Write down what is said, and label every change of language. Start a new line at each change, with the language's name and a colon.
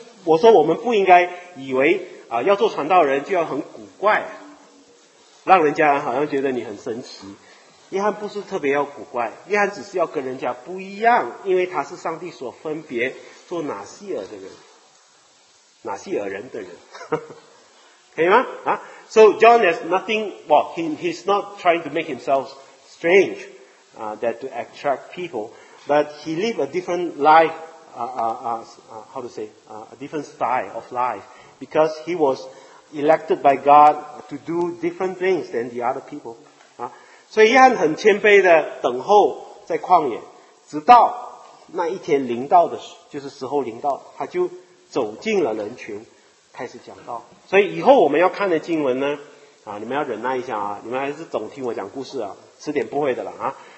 Chinese: 我说我们不应该以为啊，要做传道人就要很古怪，让人家好像觉得你很神奇。约翰不是特别要古怪，约翰只是要跟人家不一样，因为他是上帝所分别做拿细耳的人，拿细耳人的人，可以吗？
English: 啊 ，So John has nothing. Well, he's not trying to make himself strange, that to attract people, but he live a different life. A different style of life, because he was elected by God to do different things than the other people.
Chinese: 啊，所以约翰很谦卑的等候在旷野，直到那一天临到的时，就是时候临到，他就走进了人群，开始讲道。所以以后我们要看的经文呢，啊，你们要忍耐一下啊，你们还是总听我讲故事啊，迟点不会的了啊。